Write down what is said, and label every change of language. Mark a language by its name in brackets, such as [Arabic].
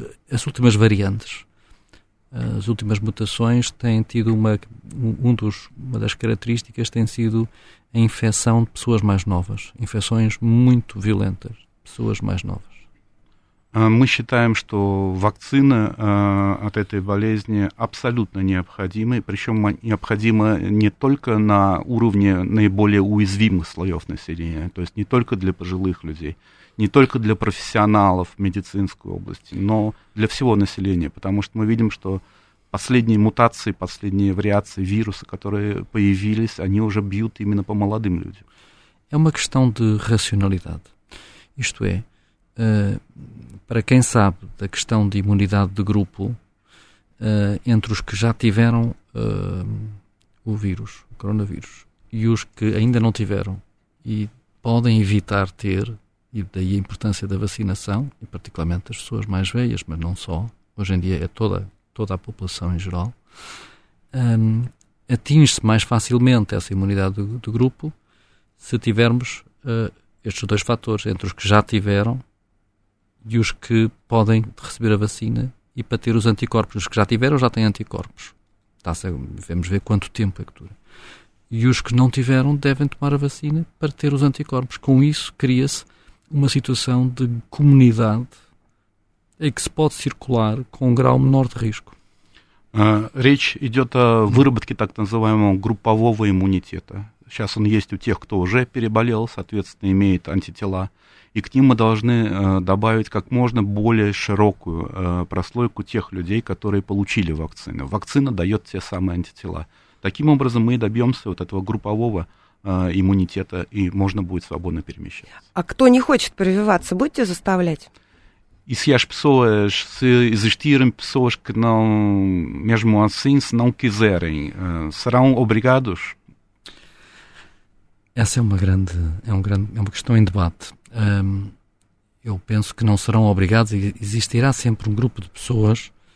[Portuguese] as últimas variantes, as últimas mutações têm tido uma das características tem sido a infecção de pessoas mais novas, infecções muito violentas, pessoas mais novas. [Russian] Мы считаем, что вакцина от этой болезни абсолютно необходима, причем необходима не только на уровне наиболее уязвимых слоев населения, то есть не только для пожилых людей, не только для профессионалов медицинской области, но для всего населения, потому что мы видим, что последние мутации, последние вариации вируса, которые появились, они уже бьют именно по молодым людям. [Portuguese] É uma questão de racionalidade. Isto é, para quem sabe da questão de imunidade de grupo, entre os que já tiveram o vírus, o coronavírus, e os que ainda não tiveram e podem evitar ter, e daí a importância da vacinação, e particularmente as pessoas mais velhas, mas não só, hoje em dia é toda a população em geral, atinge-se mais facilmente essa imunidade do grupo se tivermos estes dois fatores, entre os que já tiveram e os que podem receber a vacina, e para ter os anticorpos, os que já tiveram já têm anticorpos. Vamos ver quanto tempo é que dura. E os que não tiveram devem tomar a vacina para ter os anticorpos. Com isso cria-se uma situação de comunidade em que se pode circular com grau menor de risco. [Russian] Речь идет о выработке так называемого группового иммунитета. Сейчас он есть у тех, кто уже переболел, соответственно, имеет антитела. И к ним мы должны добавить как можно более широкую прослойку тех людей, которые получили вакцину. Вакцина дает те самые антитела. Таким образом, мы добьемся вот этого группового иммунитета, и можно будет свободно перемещаться. А кто не хочет прививаться, будете заставлять? [Portuguese] E se as pessoas, se existirem pessoas que não, mesmo assim, se não quiserem, serão obrigados? Essa é uma grande, é uma questão em debate. Eu penso que não serão obrigados, e existirá sempre um grupo de pessoas